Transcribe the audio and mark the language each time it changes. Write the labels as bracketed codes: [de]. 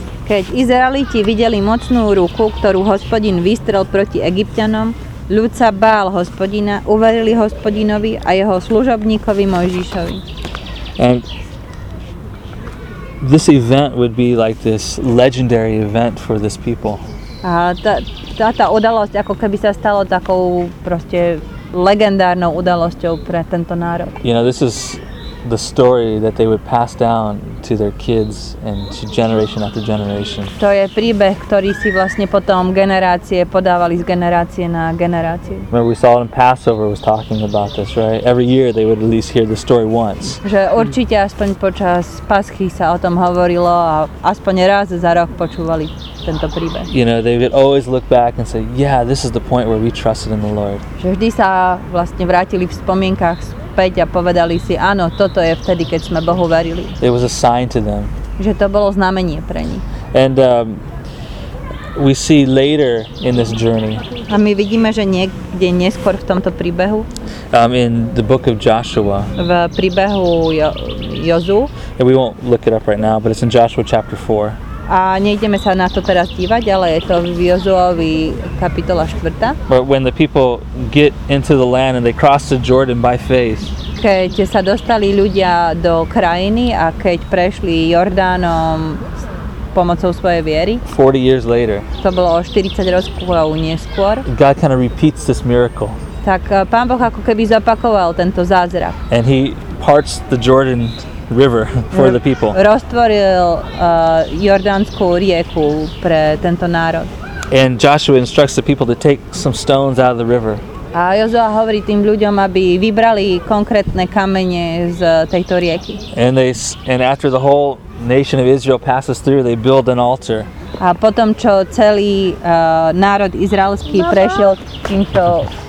[sk] Keď Izraeliti videli mocnú ruku, ktorú Hospodin vystrel proti Egypťanom, ľud sa bál Hospodina, uverili Hospodinovi a jeho služobníkovi Mojžišovi. [en] And this event would be like this legendary event for this people. [sk] A tá udalosť ako keby sa stalo takou proste legendárnou udalosťou pre tento národ. [en] You know, this is the story that they would pass down to their kids and to generation after generation. [sk] To je príbeh, ktorý si vlastne potom generácie podávali z generácie na generáciu. [en] Remember we saw it in Passover was talking about this, right? Every year they would at least hear the story once. [sk] Že určite aspoň počas Paschy sa o tom hovorilo a aspoň raz za rok počúvali tento príbeh. [en] You know, they would always look back and say, yeah, this is the point where we trusted in the Lord. [sk] Že vždy sa vlastne vrátili v spomienkach a povedali si, áno, toto je vtedy, keď sme Bohu verili. [en] It was a sign to them. [sk] Že to bolo znamenie pre nich. [en] And we see later in this journey. [sk] A my vidíme, že niekde neskôr v tomto príbehu. [en] In the book of Joshua. [sk] V príbehu Jozu. [en] And we won't look it up right now, but it's in Joshua chapter 4. [sk] A nejdeme sa na to teraz dívať, ale je to v Jozuovi kapitola 4. [en] But when the people get into the land and they cross the Jordan by faith. [sk] Keď sa dostali ľudia do krajiny a keď prešli Jordánom pomocou svojej viery. [en] 40 years later. [sk] To bolo 40 rokov neskôr. [en] God kind of repeats this miracle. [sk] Tak Pán Boh ako keby zopakoval tento zázrak. [en] And he parts the Jordan River for the people. [sk] Roztvoril Jordánsku rieku pre tento národ. [en] And Joshua instructs the people to take some stones out of the river. [sk] A Joshua hovorí tým ľuďom, aby vybrali konkrétne kamene z tejto rieky. [en] And after the whole nation of Israel passes through, they build an altar. [sk] A potom čo celý národ izraelský prešiel týmto